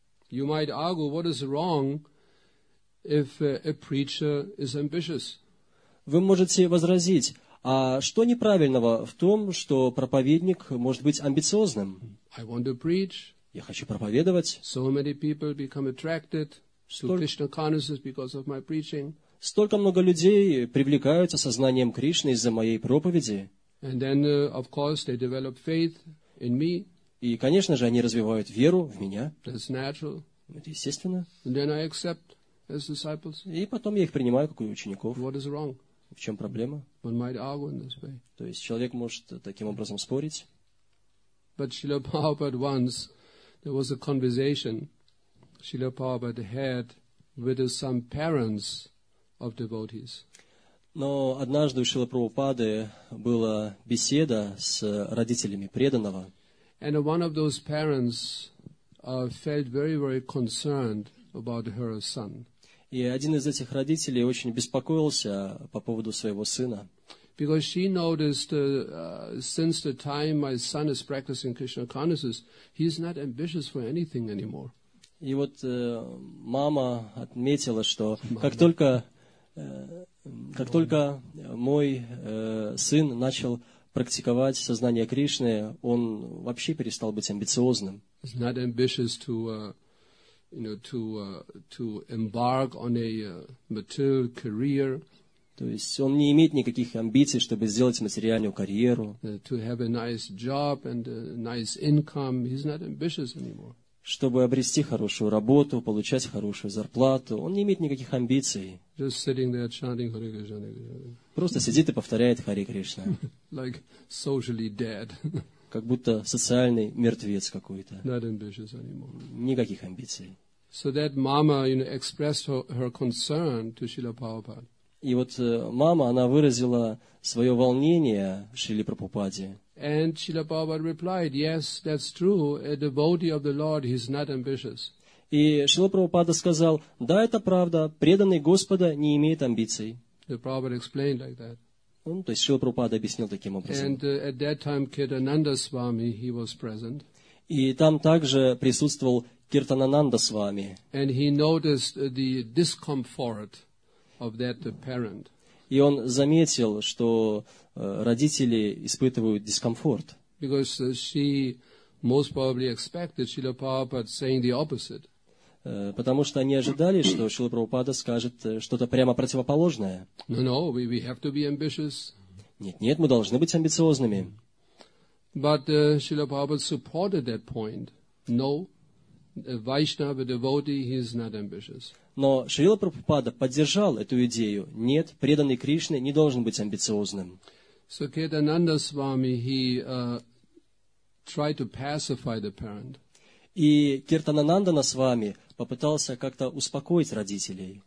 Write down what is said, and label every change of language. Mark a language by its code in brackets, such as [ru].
[en] You might argue, what is wrong if a preacher is ambitious? [ru] Вы можете возразить, а что неправильного в том, что проповедник может быть амбициозным? [en] I want to preach. [ru] Я хочу проповедовать. [en] So many people become attracted to Krishna consciousness because of my preaching. [ru] Столько много людей привлекаются сознанием Кришны из-за моей проповеди. [en] And then, of course, they develop faith in me. [ru] И, конечно же, они развивают веру в меня. [en] That's natural. [ru] Это естественно. [en] And then I accept as disciples. [ru] И потом я их принимаю как учеников. [en] What is wrong? [ru] В чем проблема? [en] One might argue in this way. [ru] То есть человек может таким образом спорить. [en] But Srila Prabhupada once, there was a conversation Srila Prabhupada had with some parents of devotees. [ru] Но однажды у Шрилы Прабхупады была беседа с родителями преданного. [en] And one of those parents felt very, very concerned about her son. [ru] И один из этих родителей очень беспокоился по поводу своего сына. [en] Because she noticed since the time my son is practicing Krishna consciousness, he is not ambitious for anything anymore. [ru] И вот мама отметила, что как только мой сын начал практиковать сознание Кришны, он вообще перестал быть амбициозным. [en] He's not ambitious to, you know, to embark on a material career. [ru] То есть он не имеет никаких амбиций, чтобы сделать материальную карьеру. [en] To have a nice job and a nice income, he's not ambitious anymore. [ru] Чтобы обрести хорошую работу, получать хорошую зарплату, он не имеет никаких амбиций. [en] Just sitting there chanting Hare Krishna, Hare Krishna. [ru] Просто сидит и повторяет Хари Кришна. [en] Like socially dead. [ru] Как будто социальный мертвец какой-то. [en] Not ambitious anymore. [ru] Никаких амбиций. [en] So that mama, you know, expressed her concern to Srila Prabhupada. [ru] И вот мама, она выразила свое волнение Шриле Прабхупаде. [en] And Srila Prabhupada replied, yes, that's true, a devotee of the Lord, he's not ambitious. [ru] И Шрила Прабхупада сказал, да, это правда, преданный Господа не имеет амбиций. [en] The Prabhupada explained like that. [ru] Ну, то есть Шрила Прабхупада объяснил таким образом. [en] And at that time, Kirtananda Swami, he was present. [ru] И там также присутствовал Киртанананда Свами. [en] And he noticed the discomfort of that parent. [ru] И он заметил, что родители испытывают дискомфорт. [en] Because she most probably expected Srila Prabhupada saying the opposite. [ru] Потому что они ожидали, что Шрила Прабхупада скажет что-то прямо противоположное. [en] No, we have to be ambitious. [ru] Нет, мы должны быть амбициозными. [en] But Srila Prabhupada supported that point. No, a Vaishnava devotee, he is not ambitious. [ru] Но Шрила Прабхупада поддержал эту идею. Нет, преданный Кришне не должен быть амбициозным. [en] So Kedananda Swami, he tried to pacify the parent. [ru] И Киртанананда Свами попытался как-то успокоить родителей.